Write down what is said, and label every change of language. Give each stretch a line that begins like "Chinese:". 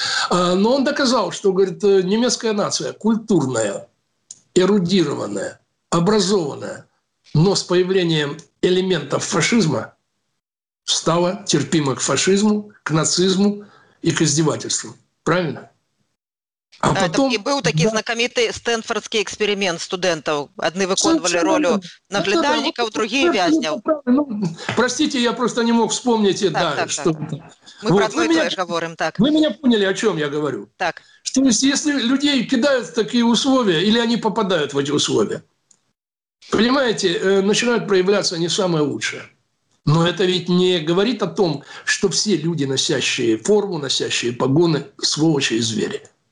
Russian: Но он доказал, что, говорит, немецкая нация культурная, эрудированная, образованная, но с появлением элементов фашизма стала терпима к фашизму, к нацизму и к издевательствам. Правильно? А потом...
Ukrainian: І був такий знакомитий Стенфордський експеримент студентів. Одні виконували ролю наглядальників, другі – в'язнів.
Russian: Ну, простите, я просто не мог вспомнити, да, що...
Ukrainian: Ми про одно і те ж говоримо, так. Ви мене поняли, о чому я говорю. Так.
Russian: То есть, если людей кидают в такие условия, или они попадают в эти условия, понимаете, начинают проявляться не самое лучшее. Но это ведь не говорит о том, что все люди, носящие форму, носящие погоны, сволочи и звери.